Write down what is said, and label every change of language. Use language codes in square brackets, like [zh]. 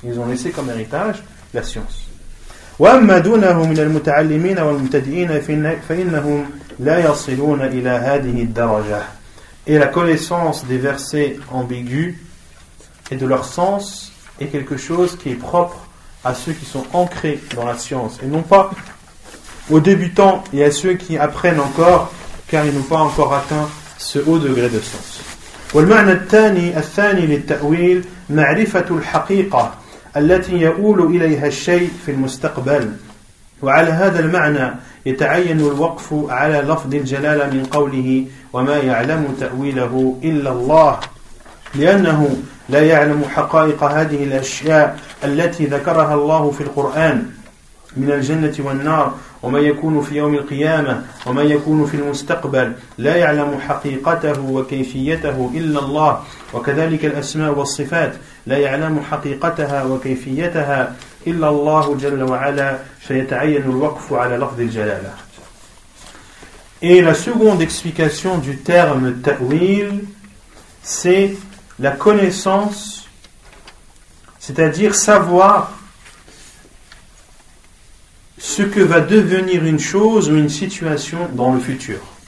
[fr] Ils ont laissé comme héritage la science. [ar] وأما دونه من المتعلمين والمبتدئين فإنهم لا يصلون إلى هذه الدرجة. [fr] Et la connaissance des versets ambigus et de leur sens est quelque chose qui est propre à ceux qui sont ancrés dans la science et non pas aux débutants et à ceux qui apprennent encore car ils n'ont pas encore atteint ce haut degré de sens. [ar] والمعنى الثاني الثاني للتأويل معرفة الحقيقة التي يؤول إليها الشيء في المستقبل وعلى هذا المعنى يتعين الوقف على لفظ الجلالة من قوله وما يعلم تأويله إلا الله لأنه لا يعلم حقائق هذه الأشياء التي ذكرها الله في القرآن من الجنة والنار وما يكون في يوم القيامة وما يكون في المستقبل لا يعلم حقيقته وكيفيته إلا الله وكذلك الأسماء والصفات لا يعلم حقيقتها وكيفيتها إلا الله جل وعلا فيتعين الوقف على لفظ الجلالة. [fr] Et la seconde explication du terme ta'wil, c'est la connaissance, c'est-à-dire savoir ce que va devenir une chose ou une situation dans le futur.